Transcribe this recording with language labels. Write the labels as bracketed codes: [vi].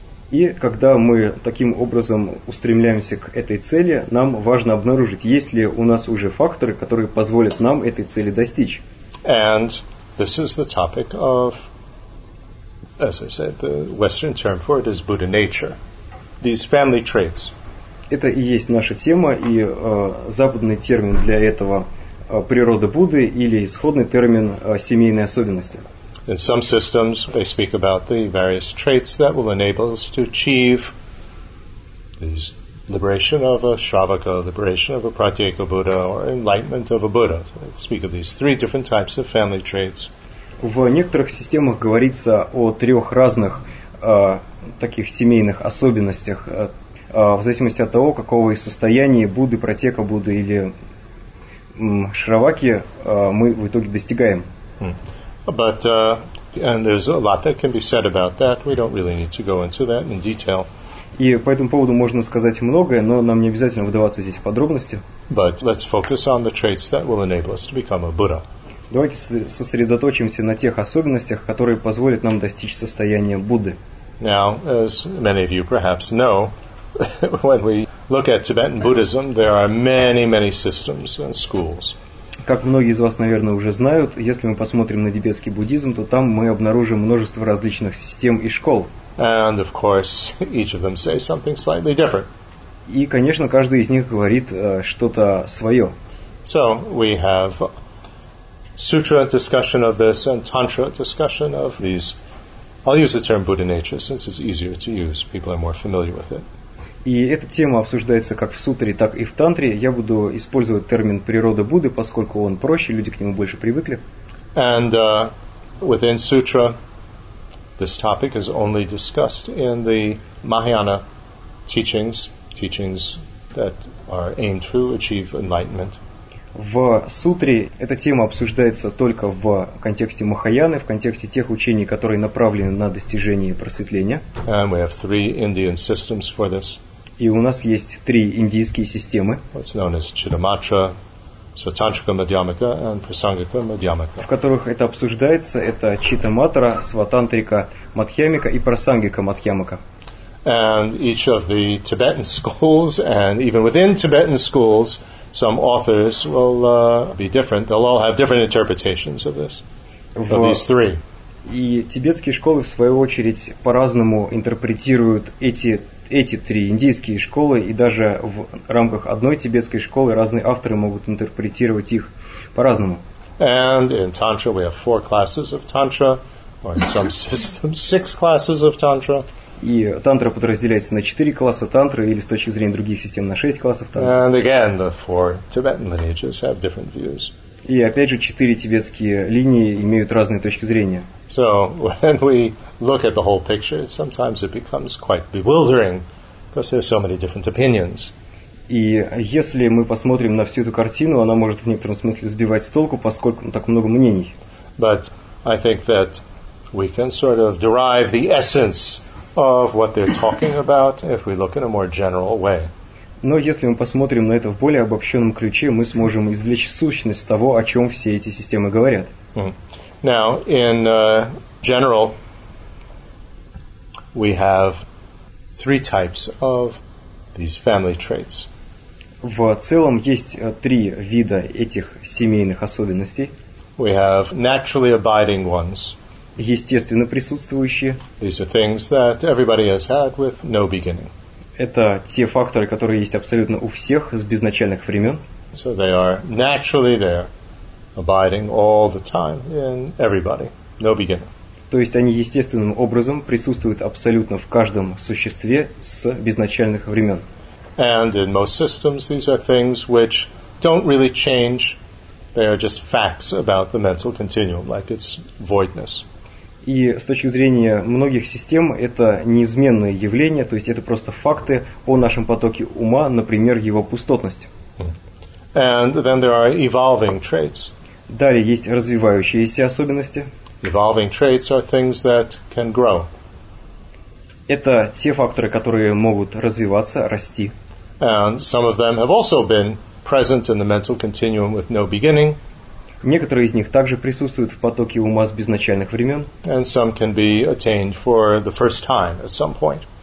[ru] И когда мы таким образом устремляемся к этой цели, нам важно обнаружить, есть ли у нас уже факторы, которые позволят нам этой цели достичь. [en] And this is the topic of, as I said, the Western term for it is Buddha nature. These family traits. [ru] Это и есть наша тема, и западный термин для этого природа Будды или исходный термин семейные особенности. [en] In some systems, they speak about the various traits that will enable us to achieve these liberation of a Shravaka, liberation of a Pratyeka Buddha, or enlightenment of a Buddha. So they speak of these three different types of family traits. [ru] В некоторых системах говорится о трех разных таких семейных особенностях, в зависимости от того, какого из состояний Будды, Пратьека Будды или Шраваки мы в итоге достигаем. [en] But and there's a lot that can be said about that. We don't really need to go into that in detail. [ru] И по этому поводу можно сказать многое, но нам не обязательно вдаваться здесь в подробности. [en] But let's focus on the traits that will enable us to become a Buddha. [ru] Давайте сосредоточимся на тех особенностях, которые позволят нам достичь состояния Будды. [en] Now, as many of you perhaps know, when we look at Tibetan Buddhism, there are many, many systems and schools. [ru] Как многие из вас, наверное, уже знают, если мы посмотрим на тибетский буддизм, то там мы обнаружим множество различных систем и школ. [en] And of course, each of them say something slightly different. [ru] И, конечно, каждый из них говорит что-то свое. [en] So we have sutra discussion of this and tantra discussion of these. I'll use the term Buddha nature since it's easier to use. People are more familiar with it. [ru] И эта тема обсуждается как в сутре, так и в тантре. Я буду использовать термин «природа Будды», поскольку он проще, люди к нему больше привыкли. [en] And within sutra, this topic is only discussed in the Mahayana teachings that are aimed to achieve enlightenment. [ru] В сутре эта тема обсуждается только в контексте Махаяны, в контексте тех учений, которые направлены на достижение просветления. [en] And we have three Indian systems for this. [ru] И у нас есть три индийские системы. [en] What's known as Chidamatra, Svatantrika Madhyamika, and Prasangika Madhyamika. [ru] В которых это обсуждается, это Читаматра, Сватантрика Мадхьямика и Прасангика Мадхьямика. [en] And each of the Tibetan schools, and even within Tibetan schools, some authors will be different. They'll all have different interpretations of this. Of these three. [ru] И тибетские школы в свою очередь по-разному интерпретируют эти три индийские школы, и даже в рамках одной тибетской школы разные авторы могут интерпретировать их по-разному. [en] And in Tantra we have four classes of Tantra, or in some systems six classes of Tantra. [ru] И тантра подразделяется на 4 класса тантры, или с точки зрения других систем на 6 классов тантры. [en] And again, the four Tibetan lineages have different views. [ru] И опять же, 4 тибетские линии имеют разные точки зрения. [en] So, when we look at the whole picture, sometimes it becomes quite bewildering, because there are so many different opinions. [ru] И если мы посмотрим на всю эту картину, она может в некотором смысле сбивать с толку, поскольку так много мнений. [en] But I think that we can sort of derive the essence of what they're talking about if we look in a more general way. [ru] Но если мы посмотрим на это в более обобщенном ключе, мы сможем извлечь сущность того, о чем все эти системы говорят. [en] Now, in general, we have three types of these family traits. [ru] В целом есть три вида этих семейных особенностей. [en] We have naturally abiding ones. [ru] Естественно присутствующие. [en] These are things that everybody has had with no beginning. [ru] Это те факторы, которые есть абсолютно у всех с безначальных времен. [en] So they are naturally there, abiding all the time in everybody, no beginning. [ru] То есть они естественным образом присутствуют абсолютно в каждом существе с безначальных времен. [en] And in most systems, these are things which don't really change. They are just facts about the mental continuum, like its voidness. [ru] И с точки зрения многих систем это неизменное явление, то есть это просто факты о нашем потоке ума, например, его пустотность. [en] And then there are evolving traits. [ru] Далее есть развивающиеся особенности. [en] Evolving traits are things that can grow. [ru] Это те факторы, которые могут развиваться, расти. [en] And some of them have also been present in the mental continuum with no beginning. [ru] Некоторые из них также присутствуют в потоке ума с безначальных времен. [en] And some can be attained for the first time at some point.